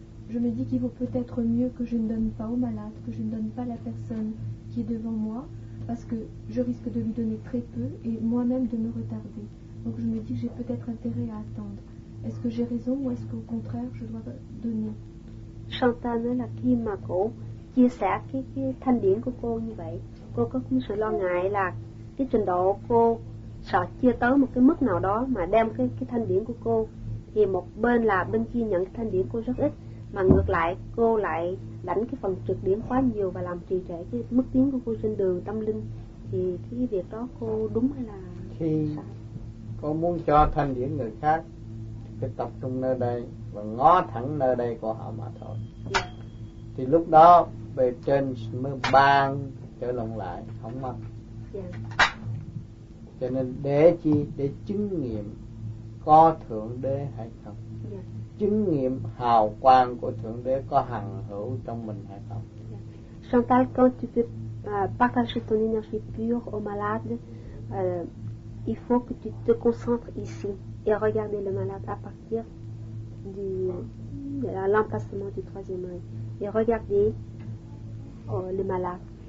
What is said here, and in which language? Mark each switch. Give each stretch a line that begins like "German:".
French: Je me dis qu'il vaut peut-être mieux que je ne donne pas aux malades, que je ne donne pas à la personne qui est devant moi, parce que je risque de lui donner très peu et moi-même de me retarder. Donc je me dis que j'ai peut-être intérêt à attendre. Est-ce que j'ai raison ou est-ce qu'au contraire je dois donner?
Vietnamese: Chantal là khi mà cô chia sẻ cái thanh điển của cô như vậy, cô có cái sự lo ngại là cái trình độ cô sợ chia tới một cái mức nào đó mà đem cái thanh điển của cô, thì một bên là bên kia nhận cái thanh điển cô rất ít, mà ngược lại cô lại đánh cái phần trực điển quá nhiều và làm trì trệ cái mức tiến của cô trên đường tâm linh, thì cái việc đó cô đúng hay là khi cô muốn cho thanh điển người khác thì tập trung nơi đây và ngó thẳng nơi đây của họ mà thôi. Thì lúc đó về trên mới ban trở lộn lại, không mất. Cho nên để chi? Để chứng nghiệm có Thượng Đế hay không. Chứng nghiệm hào quang của Thượng Đế có hằng hữu trong mình hay không.
French: Chantal, quand tu peux partager ton énergie pure aux malades, il faut que tu te concentres ici et regarder le malade à partir de l'emplacement du troisième œil. Et regarder le malade.